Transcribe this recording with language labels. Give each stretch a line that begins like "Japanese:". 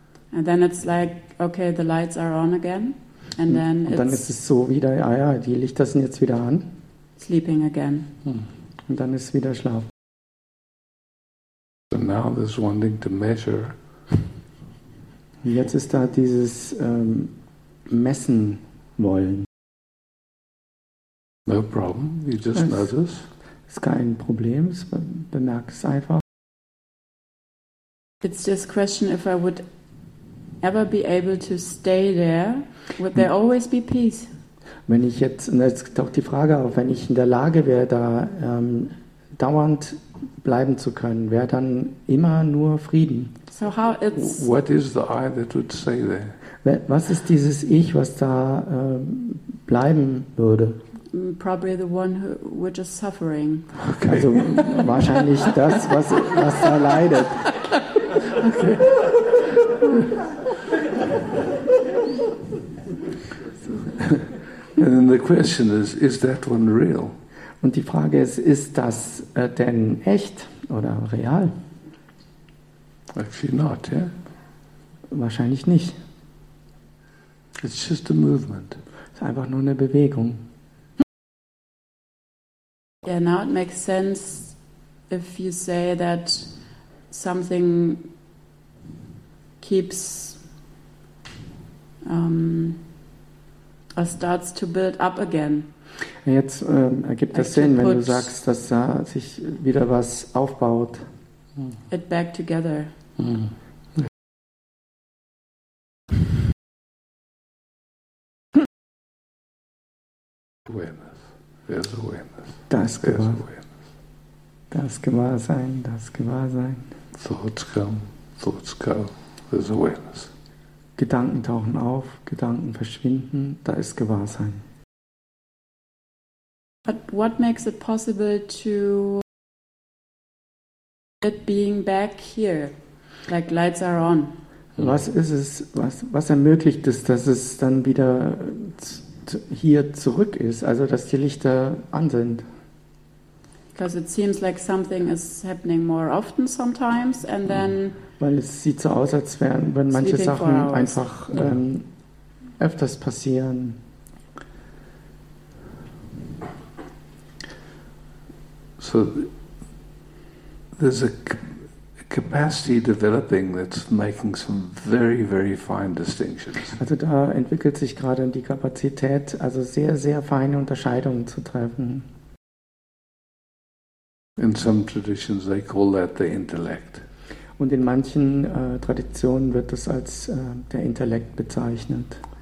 English: And then it's like, okay, the lights are on again. And then
German: und dann
English: it's
German: ist es so wieder, ah ja, die Lichter sind jetzt wieder an.
English: Sleeping again.
German: Und dann ist wieder Schlaf.
English: So now there's one thing to measure.
German: Und jetzt ist da dieses messen wollen.
English: No problem, you just notice.
German: Ist kein Problem, bemerkt es einfach.
English: It's just a question if I would ever be able to stay there, would there always be peace?
German: Wenn ich jetzt taucht die Frage auf, wenn ich in der Lage wäre, da dauernd bleiben zu können, wäre dann immer nur Frieden.
English: So how it's what is the I that would stay there?
German: Was ist dieses Ich, was da bleiben würde?
English: Probably the one who which is suffering.
German: Okay. Also wahrscheinlich das, was da leidet.
English: Okay. And then the question is that one real?
German: Und die Frage ist das denn echt oder real?
English: Actually not, yeah?
German: Wahrscheinlich nicht.
English: It's just a movement.
German: Es ist einfach nur eine Bewegung.
English: Yeah, now it makes sense if you say that something keeps or starts to build up again.
German: Jetzt ergibt das Sinn, wenn du sagst, dass da sich wieder was aufbaut.
English: It back together. There's awareness.
German: Das Gewahrsein.
English: Thoughts come, thoughts go. there's awareness.
German: Gedanken tauchen auf, Gedanken verschwinden, da ist Gewahrsein.
English: But what makes it possible to get being back here, like lights are on?
German: Was ist es, was ermöglicht es, dass es dann wieder hier zurück ist, also dass die Lichter an sind?
English: Because it seems like something is happening more often sometimes, and then.
German: Weil es sieht so aus, als wären manche Sachen einfach öfters passieren.
English: So there's a capacity developing that's making some very, very fine distinctions.
German: Also da entwickelt sich gerade die Kapazität, also sehr, sehr feine Unterscheidungen zu treffen.
English: In some traditions they call that the intellect.
German: Und in manchen Traditionen wird das als der Intellekt bezeichnet.